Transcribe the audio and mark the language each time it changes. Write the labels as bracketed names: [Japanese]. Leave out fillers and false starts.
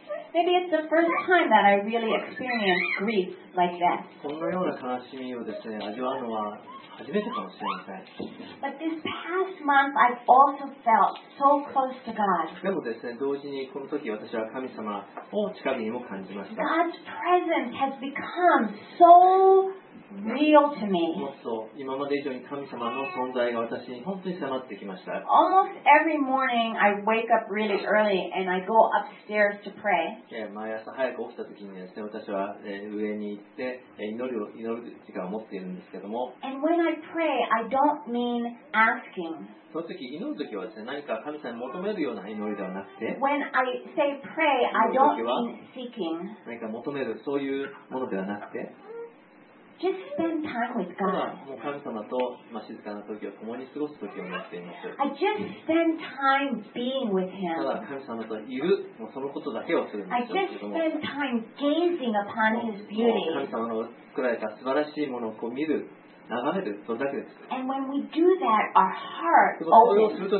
[English] Maybe it's the first time that I really experienced grief like that. [Japanese] このような悲しみをですね、味わうのは初めてかもしれません。 [English] But this past month, I also felt so close to God. [Japanese] でもですね、同時にこの時私は神様を近くにも感じました。 [English] God's presence has become so real to me. [Japanese] もっと今まで以上に神様の存在が私に本当に迫ってきました。 [English] Almost every morning, I wake up really early and I go upstairs to pray. [Japanese] 毎朝早く起きた時にですね、私は上に行って祈る時間を持っているんですけども。 [English] And when I pray, I don't mean asking. [Japanese] その時祈る時はですね、何か神様に求めるような祈りではなくて、 [English] When I say pray, I don't mean seeking. [Japanese] 何か求めるそういうものではなくて、 [English] Just spend time with God. [Japanese] もう神様と静かな時を共に過ごす時を待っています。 [English] I just spend time being with Him. [Japanese] ただ神様といる、もうそのことだけをするんですけども。 [English] I just spend time gazing upon His beauty. [Japanese] 神様の作られた素晴らしいものをこう見る。 [English] And when we do that, our heart opens.